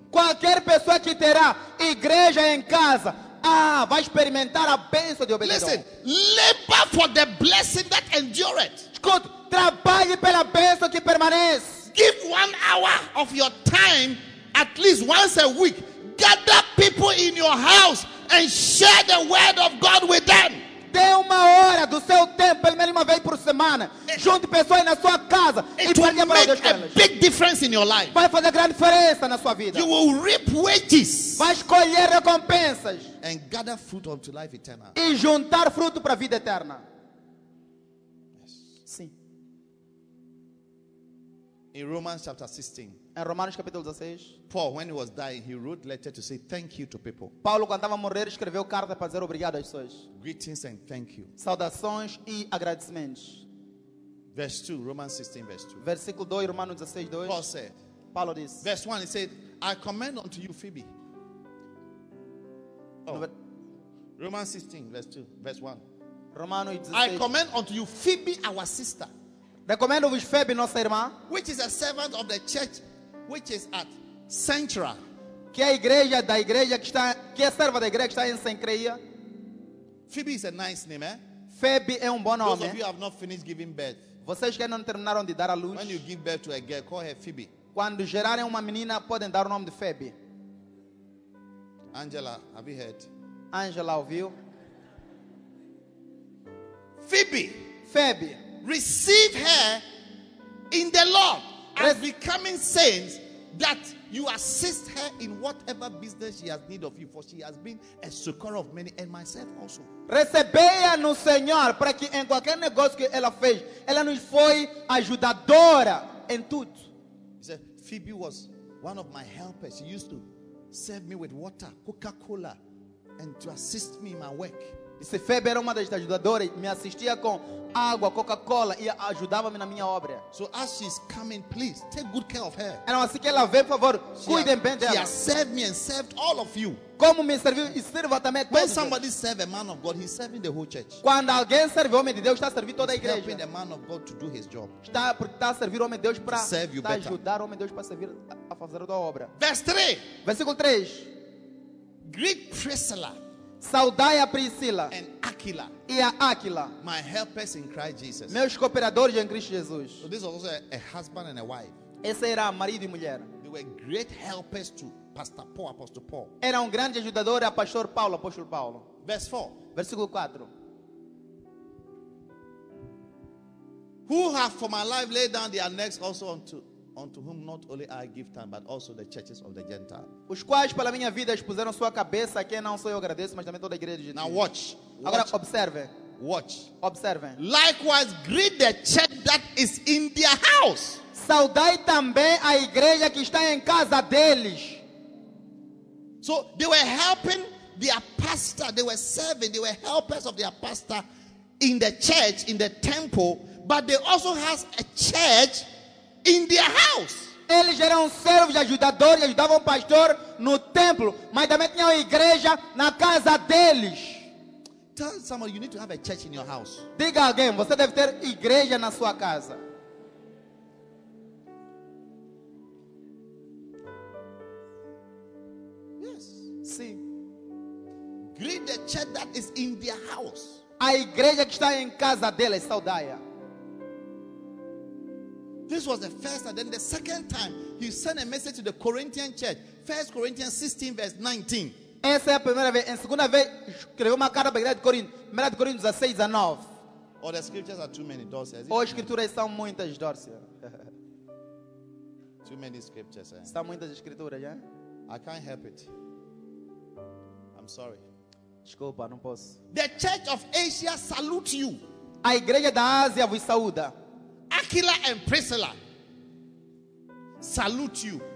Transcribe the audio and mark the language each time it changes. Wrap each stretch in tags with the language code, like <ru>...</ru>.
<pt>Qualquer pessoa que terá igreja em casa, vai experimentar a bênção de Obed-Edom.</pt> <en>Listen, labor for the blessing that endureth.</en> <pt>Escute, trabalhe pela bênção que permanece.</pt> <en>Give 1 hour of your time, at least once a week. Gather people in your house and share the word of God with them.</en> <pt>Dê uma hora do seu tempo, pelo menos uma vez por semana. Junte pessoas na sua casa.</pt> <en>It will make a big difference in your life.</en> <pt>Vai fazer grande diferença na sua vida.</pt> <en>You will reap wages.</en> <pt>Vai escolher recompensas.</pt> <en>And gather fruit unto life eternal.</en> <pt>E juntar fruto para a vida eterna.</pt> <en>Yes.</en> <pt>Sim.</pt> <en>In Romans chapter 16.</en> <pt>Em Romanos capítulo 16.</pt> <en>Paul, when he was dying, he wrote letter to say thank you to people.</en> <pt>Paulo, quando estava a morrer, escreveu carta para dizer obrigado às pessoas.</pt> <en>Greetings and thank you.</en> <pt>Saudações e agradecimentos.</pt> <en>Verse 2, Romans 16, verse 2.</en> <pt>Versículo 2, Romanos 16, 2.</pt> <en>Paul said.</en> <pt>Paulo disse.</pt> <en>Verse 1, he said, "I commend unto you Phoebe." Romans 16, verse 2, verse 1.</en> <pt>Romanos 16.</pt> <en>"I commend unto you Phoebe, our sister."</en> <pt>Recomendo-vos Phoebe, nossa irmã.</pt> <en>"Which is a servant of the church, which is at Centra."</en> <pt>Que é a igreja da igreja que está, que é a serva da igreja que está em Cencreia.</pt> <en>Phoebe is a nice name, eh?</en> <pt>Febe é bom</pt> <en>Those</en> <pt>homem.</pt> <en>Those of you have not finished giving birth.</en> <pt>Vocês que não terminaram de dar a luz.</pt> <en>When you give birth to a girl, call her Phoebe.</en> <pt>Quando gerarem uma menina, podem dar o nome de Febe.</pt> <en>Angela, have you heard?</en> <pt>Angela ouviu?</pt> <en>Phoebe.</en> <pt>Febe.</pt> <en>Receive her in the Lord as becoming saints, that you assist her in whatever business she has need of you, for she has been a succor of many, and myself also.</en> <pt>Recebei-a no Senhor, para que em qualquer negócio que ela fez, ela nos foi ajudadora em tudo.</pt> <en>He said, Phoebe was one of my helpers. She used to serve me with water, Coca-Cola, and to assist me in my work.</en> <pt>Disse, Febe era uma das ajudadoras, me assistia com água, Coca-Cola e ajudava-me na minha obra.</pt> <en>So as she's coming, please take good care of her.</en> <pt>Então assim que ela vem, por favor, cuidem bem dela.</pt> <en>She has served me and served all of you.</en> <pt>Como me serviu e serve também todos.</pt> <en>When somebody serves a man of God, he's serving the whole church.</en> <pt>Quando alguém serve o homem de Deus, está a servir toda a igreja.</pt> <en>He's helping the man of God to do his job.</en> <pt>Está a servir o homem de Deus para</pt> <en>serve you better.</en> <pt>Ajudar o homem de Deus para servir a fazer a tua obra.</pt> <en>Verse 3.</en> <pt>Versículo 3.</pt> <en>Greet Priscilla.</en> <pt>Saudai a Priscila</pt> <en>and Aquila,</en> <pt>e a Aquila,</pt> <en>my helpers in Christ Jesus.</en> <pt>Meus cooperadores em Cristo Jesus.</pt> <en>So this was also a husband and a wife.</en> <pt>Esse era marido e mulher.</pt> <en>They were great helpers to Pastor Paul, Apostle Paul.</en> <pt>Era um grande ajudador a Pastor Paulo, Apóstolo Paulo.</pt> <en>Verse 4.</en> <pt>Versículo 4.</pt> <en>Who have for my life laid down their necks also unto whom not only I give time, but also the churches of the Gentiles.</en> <pt>Os quais pela minha vida expuseram sua cabeça, a quem não sou eu agradeço, mas também toda a igreja de Deus.</pt> <en>Now watch.</en> <pt>Agora observe.</pt> <en>Watch.</en> <pt>Observe.</pt> <en>Likewise, greet the church that is in their house.</en> <pt>Saudai também a igreja que está em casa deles.</pt> <en>So they were helping their pastor. They were serving. They were helpers of their pastor in the church, in the temple. But they also has a church in their house.</en> <pt>Eles eram servos, ajudadores, ajudavam o pastor no templo, mas também tinham igreja na casa deles.</pt> <en>Tell someone you need to have a church in your house.</en> <pt>Diga alguém, você deve ter igreja na sua casa.</pt> <en>Yes.</en> <pt>Sim.</pt> <en>Greet the church that is in their house.</en> <pt>A igreja que está em casa deles, saudai-a.</pt> <en>This was the first, and then the second time he sent a message to the Corinthian church. 1 Corinthians 16, verse 19.</en> <pt>Essa é a primeira vez. Em segunda vez, escreveu uma carta para a igreja de Corinto. Primeira de Corinto 16, 19.</pt> <en>Oh, the scriptures are too many, Dorcia.</en> <pt>Ou as escrituras são muitas, Dorcia.</pt> <en>Too many scriptures, eh?</en> <pt>São muitas escrituras, já.</pt> <en>I can't help it. I'm sorry.</en> <pt>Desculpa, não posso.</pt> <en>The church of Asia salute you.</en> <pt>A igreja da Ásia vos saúda.</pt> <en>Aquila and Priscilla salute you.</en>